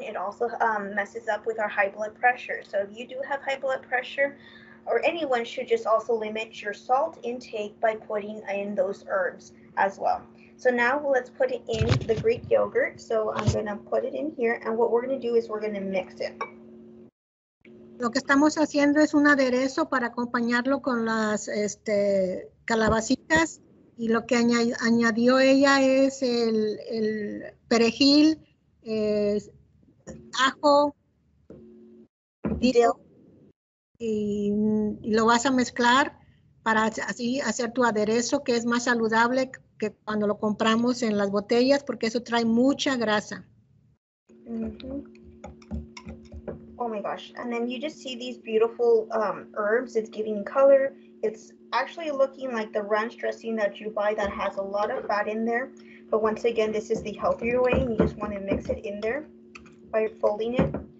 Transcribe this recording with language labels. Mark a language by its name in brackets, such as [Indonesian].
[English] It also messes up with our high blood pressure. So if you do have high blood pressure, or anyone should just also limit your salt intake by putting in those herbs as well. So now let's put it in the Greek yogurt. So I'm gonna put it in here, and what we're gonna do is we're gonna mix it. [Spanish] Lo que estamos haciendo es un aderezo para acompañarlo con las calabacitas, y lo que añadió ella es el perejil, ajo, [English] dill, [Spanish] y lo vas a mezclar para así hacer tu aderezo, que es más saludable que cuando lo compramos en las botellas, porque eso trae mucha grasa. [English] Oh my gosh, and then you just see these beautiful herbs. It's giving color. It's actually looking like the ranch dressing that you buy that has a lot of fat in there. But once again, this is the healthier way, and you just want to mix it in there by folding it.